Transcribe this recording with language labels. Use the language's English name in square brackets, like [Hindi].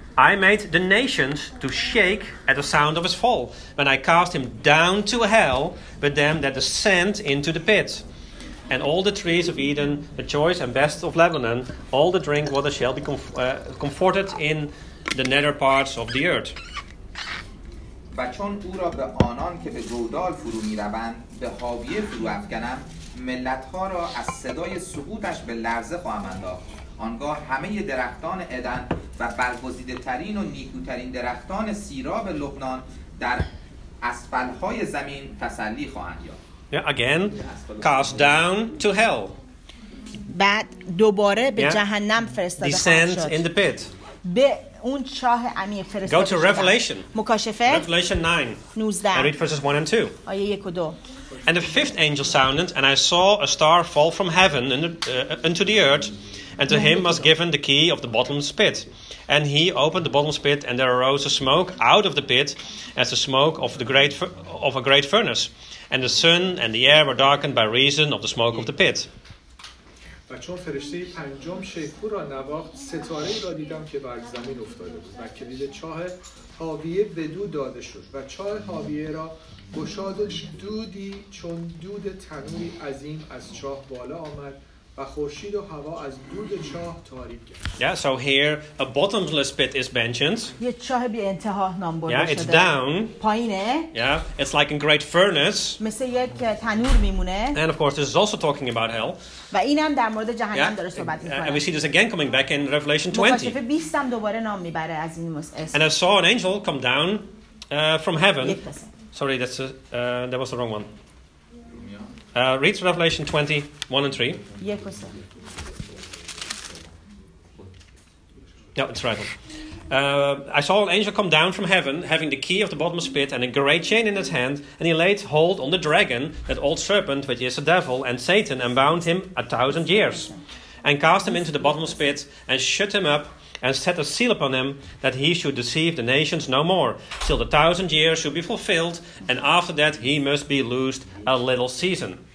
[English] I made the nations to shake at the sound of his fall, when I cast him down to hell with them that descend into the pit. And all the trees of Eden, the choice and best of Lebanon, all the drink water shall be comforted in the nether parts of the earth. [Persian] و چون او را به آنان که به گودال فرو می روند به هاویه فرو افکنم، ملتها را از صدای سقوطش به لرزه خواهم انداخت. آنگاه همه درختان عدن و برگزیده ترین و نیکوترین درختان سیراب لبنان در اسفلهای زمین تسلی خواهند یافت. [English] Again, cast down to hell. [Persian] بعد دوباره به جهنم فرستاده خواهد شد. [English] Descend in the pit. [Persian] به اون چاه عمیق فرستاده شده. [English] Go to Revelation. [Persian] مکاشفه. [English] Revelation 9. 19. And read verses 1 and 2. [Persian] آیه 1 و 2. [English] And the fifth angel sounded, and I saw a star fall from heaven into the earth, and to him was given the key of the bottomless pit. And he opened the bottomless pit, and there arose a smoke out of the pit, as the smoke of a great furnace. And the sun and the air were darkened by reason of the smoke of the pit. [Persian] و چون فرشته پنجم شیپور را نواخت، ستاره‌ای را دیدم که بر زمین افتاده بود و کلید چاه حاویه بدو داده شد و چاه حاویه را گشاد و دودی چون دود تنوری عظیم از چاه بالا آمد و خورشید و هوا از دود چاه تاریک گشت. [English] Yeah, so here a bottomless pit is mentioned. [Persian] یه چاه بی انتها نام برده شده. [English] Yeah, it's down. [Persian] پایینه. [English] Yeah, it's like a great furnace. [Persian] مثل یک تنور میمونه. [English] And of course this is also talking about hell. [Persian] و اینم در مورد جهنم داره صحبت می‌کنه. [English] And we see this again coming back in Revelation 20. [Persian] مکاشفه 20 هم دوباره نام میبره از این مسئله. [English] And I saw an angel come down from heaven. Sorry, that's that was the wrong one. Read Revelation 20, 1 and 3. یک پس. No, it's right. I saw an angel come down from heaven, having the key of the bottomless pit and a great chain in his hand, and he laid hold on the dragon, that old serpent, which is the devil, and Satan, and bound him 1,000 years, and cast him into the bottomless pit, and shut him up, and set a seal upon him, that he should deceive the nations no more, till 1,000 years should be fulfilled, and after that he must be loosed a little season.